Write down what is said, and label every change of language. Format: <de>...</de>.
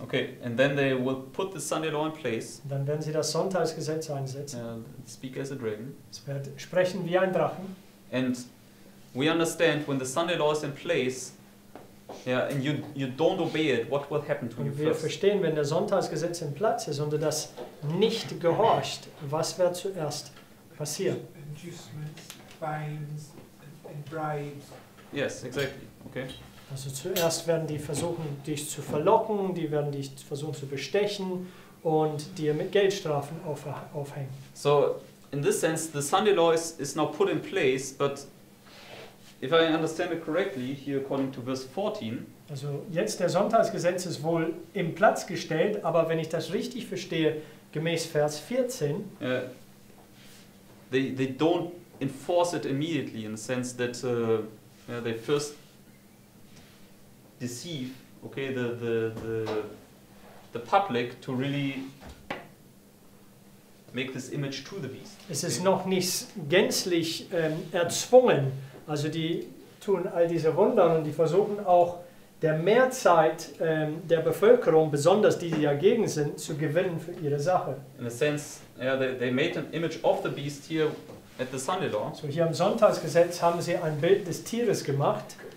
<en>Okay, and then they will put the Sunday law in place.</en> <de>Dann werden sie das Sonntagsgesetz einsetzen.</de> <en>Speak as a dragon.</en> <de>Es wird sprechen wie ein Drachen.</de> <en>And we understand when the Sunday law is in place, yeah, and you don't obey it, what will happen to</en> <de>und</de> <en>you</en> <de>wir</de> <en>first?</en> <de>Verstehen, wenn der Sonntagsgesetz in Platz ist und du das nicht gehorcht, was wird zuerst passieren?</de> <en>Inducements, fines, and bribes. Yes, exactly. Okay.</en> <de>Also zuerst werden die versuchen, dich zu verlocken, die werden dich versuchen zu bestechen und dir mit Geldstrafen aufhängen.</de> <en>So, in this sense, the Sunday law is now put in place, but if I understand it correctly, here according to verse 14.</en> <de>Also jetzt der Sonntagsgesetz ist wohl in Platz gestellt, aber wenn ich das richtig verstehe, gemäß Vers 14.</de> <en>They don't enforce it immediately in the sense that they first deceive, okay, the public to really make this image to the beast.</en> <de>Es ist noch nicht gänzlich erzwungen. Also die tun all diese Wunder und die versuchen auch der Mehrzeit der Bevölkerung, besonders die, die dagegen sind, zu gewinnen für ihre Sache.</de> <en>In a sense, yeah, they made an image of the beast here at the Sunday Law.</en> <de>So hier am Sonntagsgesetz haben sie ein Bild des Tieres gemacht.</de>